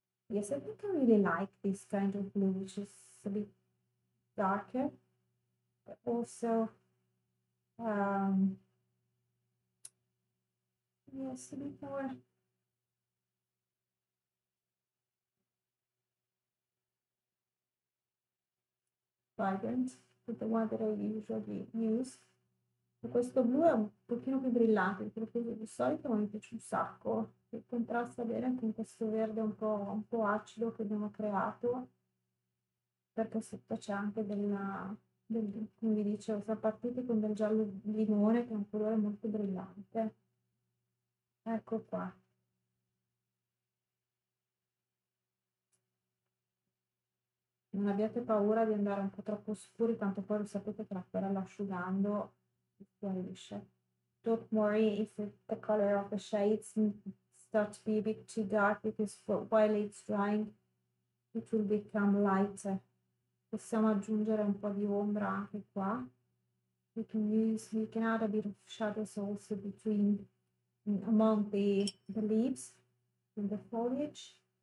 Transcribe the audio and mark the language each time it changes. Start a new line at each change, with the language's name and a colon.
English: Yes, I think I really like this kind of blue, which is a bit darker, but also yes, a bit more. Vibrant with the one that I usually use.
Italian: Questo blu è un pochino più brillante, perché di solito mi piace un sacco, che contrasta bene con questo verde un po' acido che abbiamo creato, perché sotto c'è anche come vi dicevo, sono partiti con del giallo limone, che è un colore molto brillante. Ecco qua. Non abbiate paura di andare un po' troppo scuri, tanto poi lo sapete che l'acquarello asciugando guarisce.
English: Don't worry if the color of the shades start to be a bit too dark, because while it's drying, it will become lighter.
Italian: Possiamo aggiungere un po' di ombra anche qua.
English: We can add a bit of shadows also between, among the leaves, in the foliage.